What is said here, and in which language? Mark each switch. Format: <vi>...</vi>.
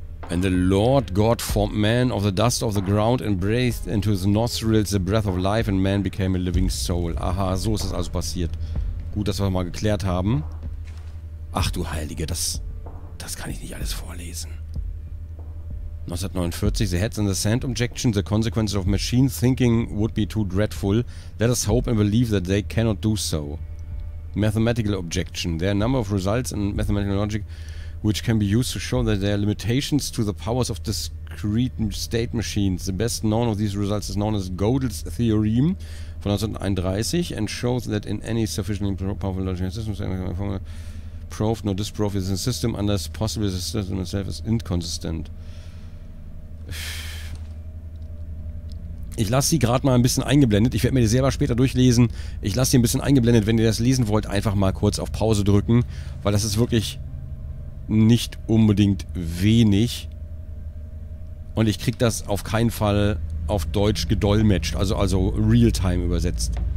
<en>And the Lord God formed man of the dust of the ground and breathed into his nostrils the breath of life and man became a living soul.</en> <de>Aha, so ist es also passiert. Gut, dass wir das mal geklärt haben. Ach du Heilige, das kann ich nicht alles vorlesen.</de> <en>1949, the heads in the sand objection, the consequences of machine thinking would be too dreadful. Let us hope and believe that they cannot do so. Mathematical objection, there are a number of results in mathematical logic which can be used to show that there are limitations to the powers of discrete state machines. The best known of these results is known as Gödel's theorem</en> <de>von 1931</de> <en>and shows that in any sufficiently powerful logical system, proved nor disproved is a system unless possibly the system itself is inconsistent.</en> <de>Ich lasse sie gerade mal ein bisschen eingeblendet. Ich werde mir die selber später durchlesen. Ich lasse sie ein bisschen eingeblendet. Wenn ihr das lesen wollt, einfach mal kurz auf Pause drücken, weil das ist wirklich nicht unbedingt wenig. Und ich kriege das auf keinen Fall auf Deutsch gedolmetscht, also Realtime übersetzt.</de>